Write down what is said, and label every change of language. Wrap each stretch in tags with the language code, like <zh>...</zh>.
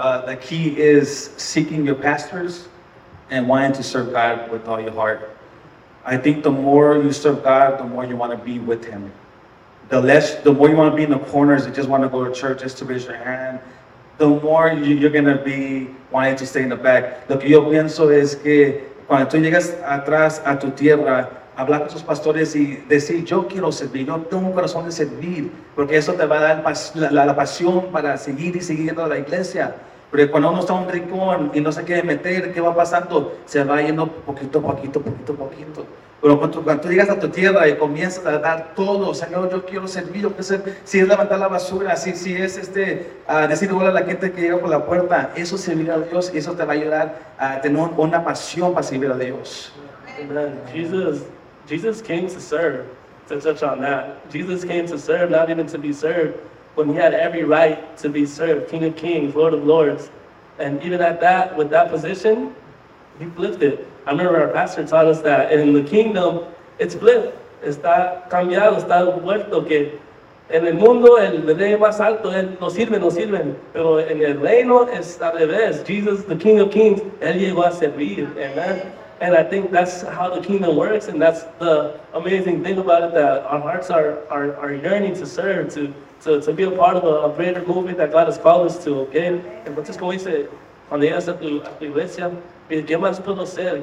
<en>The key is seeking your pastors and wanting to serve God with all your heart. I think the more you serve God, the more you want to be with Him. The more you want to be in the corners and just want to go to church just to raise your hand, the more you're going to be wanting to stay in the back.</en> <es>Lo que yo pienso es que cuando tú llegas atrás a tu tierra, hablar con tus pastores y decir, yo quiero servir, yo tengo un corazón de servir, porque eso te va a dar la pasión para seguir y seguir yendo a la iglesia. Pero cuando uno está en un rincón y no se quiere meter, ¿qué va pasando? Se va yendo poquito a poquito, poquito a poquito. Pero cuando tú llegas a tu tierra y comienzas a dar todo, Señor, yo quiero servir, yo quiero ser, si es levantar la basura, si es decir hola a la gente que llega por la puerta, eso servir a Dios y eso te va a ayudar a tener una pasión para servir a Dios.</es> <en>Jesus came to serve, to touch on that. Jesus came to serve, not even to be served, when He had every right to be served, King of Kings, Lord of Lords. And even at that, with that position, He flipped it. I remember our pastor taught us that in the kingdom, it's flipped.</en> <es>Está cambiado, está muerto, que en el mundo, el rey más alto, él no sirve, no sirve. Pero en el reino, es al revés.</es> <en>Jesus, the King of Kings,</en> <es>él llegó a servir. Amen.</es> <en>And I think that's how the kingdom works, and that's the amazing thing about it, that our hearts are yearning to serve, to be a part of a greater movement that God has called us to, okay?</en> <es>Entonces, como dice, cuando llegas a tu iglesia, ¿qué más puedo hacer?</es>